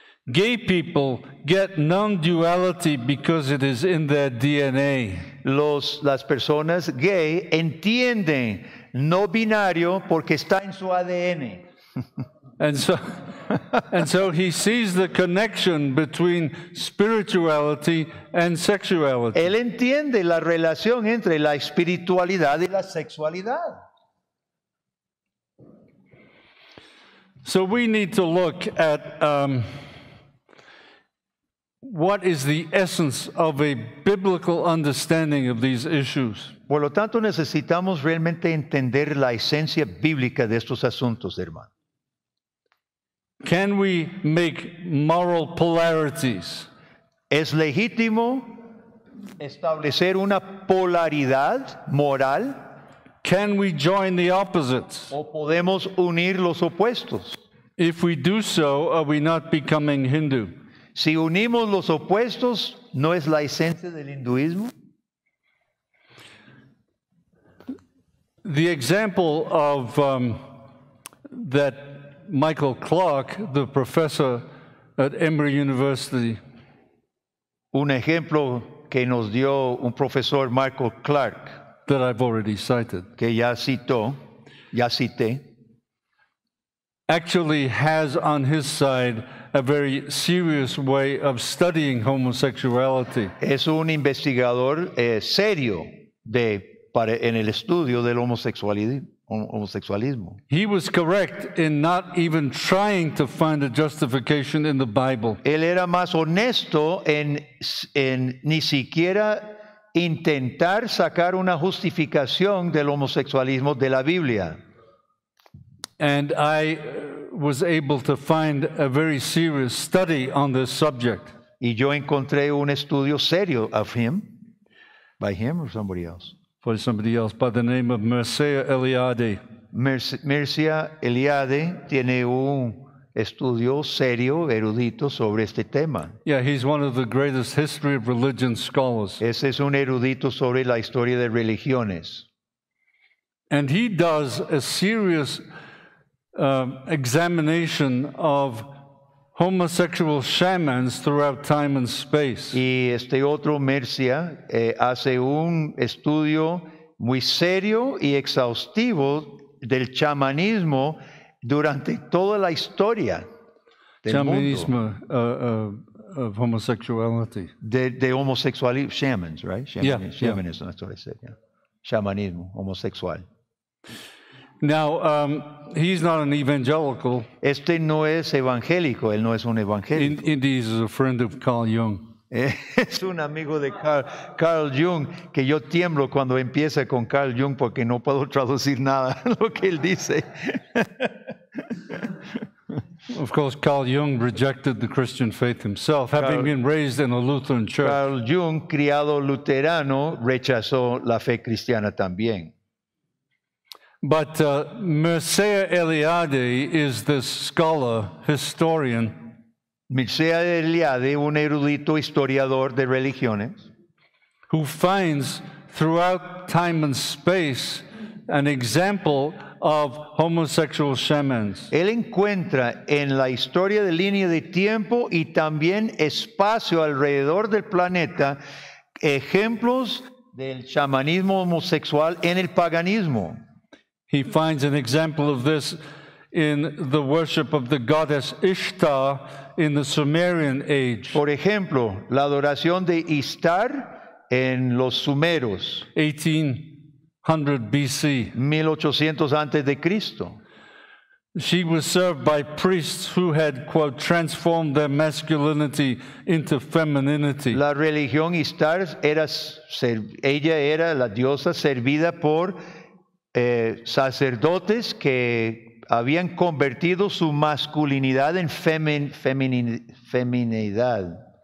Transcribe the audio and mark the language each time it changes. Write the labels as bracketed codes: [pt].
[en] gay people get non-duality because it is in their DNA. [es] Las personas gay entienden no binario porque está en su ADN. [en] And so he sees the connection between spirituality and sexuality. [es] Él entiende la relación entre la espiritualidad y la sexualidad. [en] So we need to look at what is the essence of a biblical understanding of these issues. [es] Por lo tanto, necesitamos realmente entender la esencia bíblica de estos asuntos, hermano. [en] Can we make moral polarities? [es] ¿Es legítimo establecer una polaridad moral? [en] Can we join the opposites? [es] ¿O podemos unir los opuestos? [en] If we do so, are we not becoming Hindu? [es] Si unimos los opuestos, ¿no es la esencia del hinduismo? [en] The example of that Michael Clark, the professor at Emory University. [es] Un ejemplo que nos dio un profesor, Michael Clark, [en] that I've already cited. [es] Que ya cité. [en] Actually has on his side a very serious way of studying homosexuality. [es] Es un investigador serio en el estudio del homosexualismo. [en] He was correct in not even trying to find a justification in the Bible. [es] Él era más honesto en ni siquiera intentar sacar una justificación del homosexualismo de la Biblia. [en] And I was able to find a very serious study on this subject. [es] Y yo encontré un estudio serio [en] of him, by him or somebody else? For somebody else, by the name of Mircea Eliade. [es] Mircea Eliade tiene un estudio serio, erudito, sobre este tema. [en] Yeah, he's one of the greatest history of religion scholars. [es] Ese es un erudito sobre la historia de religiones. [en] And he does a serious examination of homosexual shamans throughout time and space. [es] Y este otro Mircea hace un estudio muy serio y exhaustivo del chamanismo durante toda la historia del chamanismo, mundo. [en] Of homosexuality. De homosexuality, shamans, right? Shamanism, that's what I said. Yeah. [es] Shamanismo, homosexual. [en] Now, he's not an evangelical. [es] Este no es evangélico, él no es un evangélico. [en] Indeed, he's a friend of Carl Jung. [es] Es un amigo de Carl Jung, que yo tiemblo cuando empieza con Carl Jung porque no puedo traducir nada lo que él dice. [en] Of course, Carl Jung rejected the Christian faith himself, having been raised in a Lutheran church. [es] Carl Jung, criado luterano, rechazó la fe cristiana también. [en] But Mircea Eliade is this scholar, historian. [es] Mircea Eliade, un erudito historiador de religiones, [en] who finds throughout time and space an example of homosexual shamans. [es] Él encuentra en la historia de línea de tiempo y también espacio alrededor del planeta ejemplos del chamanismo homosexual en el paganismo. [en] He finds an example of this in the worship of the goddess Ishtar in the Sumerian age. [es] Por ejemplo, la adoración de Ishtar en los sumeros. [en] 1800 BC. [es] 1800 antes de Cristo. [en] She was served by priests who had, quote, transformed their masculinity into femininity. [es] La religión Ishtar era la diosa servida por sacerdotes que habían convertido su masculinidad en feminidad.